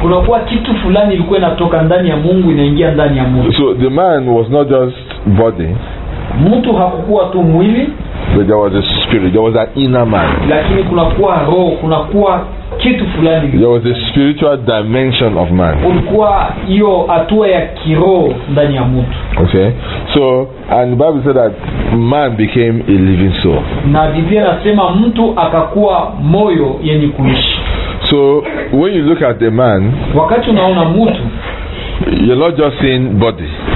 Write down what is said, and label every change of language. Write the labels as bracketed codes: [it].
[sw] Kulikuwa kitu fulani ilikuwa inatoka ndani ya Mungu inaingia ndani ya mtu. [en] So the man was not just body. [sw] Mtu hakukuwa tu mwili. [en] But there was a spirit, there was an inner man. [sw] Lakini kulikuwa roho, kulikuwa kitu fulani. [en] There was a spiritual dimension of man. [sw] Ulikuwa hiyo hatua ya kiroho ndani ya mtu. [en] Okay. So, and the Bible said that man became a living soul. [sw] Na Biblia inasema mtu akakuwa moyo yenye kuishi. [en] So, when you look at the man, [sw] wakati unaona mtu, [en] you're not just seeing body.